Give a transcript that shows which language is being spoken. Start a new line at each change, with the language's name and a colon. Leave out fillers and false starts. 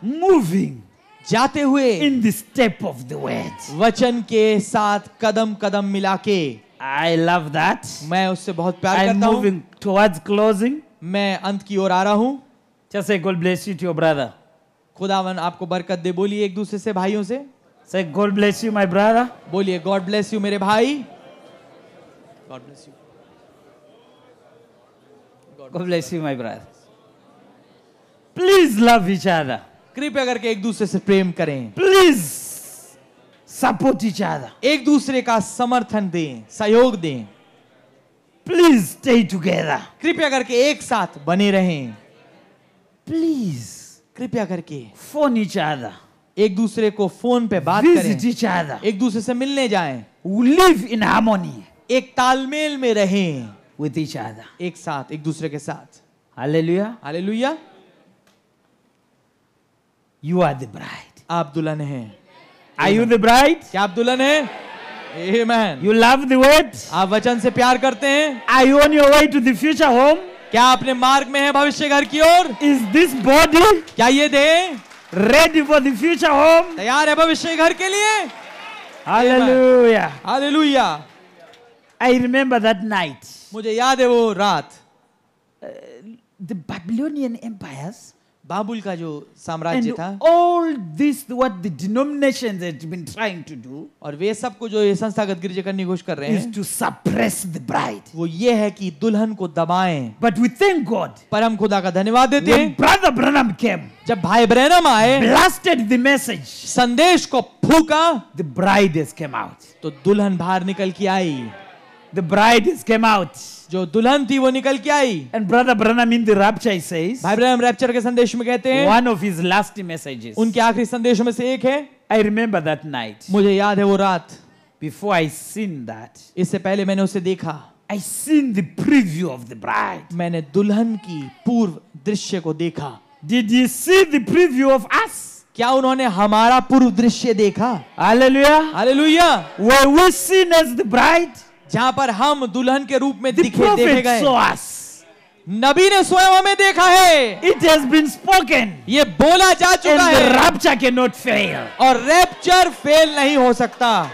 English: Moving.
Hindi: जाते हुए.
English: In the step of the word.
Hindi: वचन के साथ कदम कदम मिलाके.
English: I love that.
Hindi: मैं उससे बहुत प्यार करता हूँ.
English: I'm moving towards closing.
Hindi: मैं अंत की ओर आ रहा हूँ.
English: Just say God bless you to your brother.
Hindi: खुदावन आपको बरकत दे. बोलिए एक दूसरे से भाइयों से.
English: Say God bless you my brother.
Hindi: बोलिए
English: God bless you
Hindi: मेरे भाई.
English: God bless you. God bless you my brother. Please love each other.
Hindi: कृपया करके एक दूसरे से प्रेम करें.
English: Please support each other.
Hindi: एक दूसरे का समर्थन दें, सहयोग दें.
English: Please stay together.
Hindi: कृपया करके एक साथ बने रहें.
English: Please
Hindi: कृपया करके
English: phone each other.
Hindi: एक दूसरे को फोन पे बात
English: Visit
Hindi: करें.
English: Each other.
Hindi: एक दूसरे से मिलने जाएं.
English: We live in harmony.
Hindi: एक तालमेल में रहें.
English: with each other.
Hindi: एक साथ, एक दूसरे के साथ. Hallelujah. Hallelujah.
English: You are the bride.
Hindi: आप दुल्हन हैं.
English: Are you the bride?
Hindi: क्या आप दुल्हन हैं? Amen.
English: You love the word?
Hindi: आप वचन से प्यार करते हैं?
English: Are you on your way to the future home?
Hindi: क्या आपने मार्ग में हैं भविष्य घर की ओर?
English: Is this body?
Hindi: क्या ये देह?
English: Ready for the future home?
Hindi: तैयार है भविष्य घर के लिए? Hallelujah. Hallelujah.
English: I remember that night.
Hindi: मुझे याद है वो रात.
English: The Babylonian empires.
Hindi: बाबुल का जो साम्राज्य था.
English: All this what the denominations had been trying to do.
Hindi: और वे सब को जो ये संस्थागत गिरजे करने की कोशिश कर रहे हैं.
English: Is to suppress the bride.
Hindi: वो ये है कि दुल्हन को दबाएं.
English: But we thank God.
Hindi: पर हम खुदा का धन्यवाद देते हैं.
English: When Brother Branham came.
Hindi: जब भाई ब्रैनम आए.
English: Blasted the message.
Hindi: संदेश को फूका.
English: The bride has came out.
Hindi: तो दुल्हन बाहर निकल के आई.
English: The bride has came out.
Hindi: जो दुल्हन थी वो निकल के आई.
English: And brother Branham in the rapture he says.
Hindi: भाई ब्रैनम रैप्चर के संदेश में कहते हैं.
English: One of his last messages.
Hindi: उनके आखिरी संदेशों में से एक है.
English: I remember that night.
Hindi: मुझे याद है वो रात.
English: Before I seen that.
Hindi: इससे पहले मैंने उसे देखा.
English: I seen the preview of the bride.
Hindi: मैंने दुल्हन की पूर्व दृश्य को देखा.
English: Did you see the preview of us?
Hindi: क्या उन्होंने हमारा पूर्व दृश्य देखा? Hallelujah. Hallelujah.
English: Where we seen as the bride.
Hindi: जहां पर हम दुल्हन के रूप में दिखे देखे गए. नबी ने स्वयं हमें देखा है.
English: It has been spoken.
Hindi: ये बोला जा चुका है.
English: Rapture cannot fail.
Hindi: और रैप्चर फेल नहीं हो सकता.